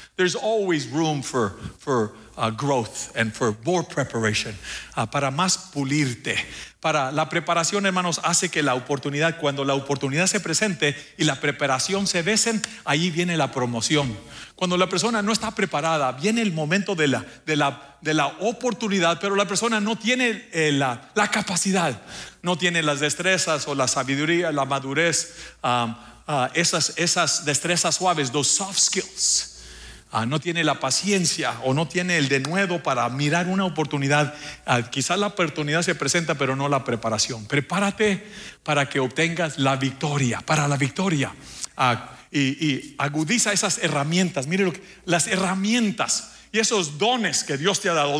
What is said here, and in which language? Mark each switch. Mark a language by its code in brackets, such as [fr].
[en] There's always room for growth and for more preparation. [es] Para más pulirte. Para la preparación, hermanos, hace que la oportunidad, cuando la oportunidad se presente y la preparación se besen, ahí viene la promoción. Cuando la persona no está preparada, viene el momento de la oportunidad, pero la persona no tiene la capacidad, no tiene las destrezas o la sabiduría, la madurez, esas destrezas suaves, [en] those soft skills. [es] No tiene la paciencia o no tiene el denuedo para mirar una oportunidad. Quizás la oportunidad se presenta, pero no la preparación. Prepárate para que obtengas la victoria, para la victoria. Y agudiza esas herramientas. Mire las herramientas y esos dones que Dios te ha dado.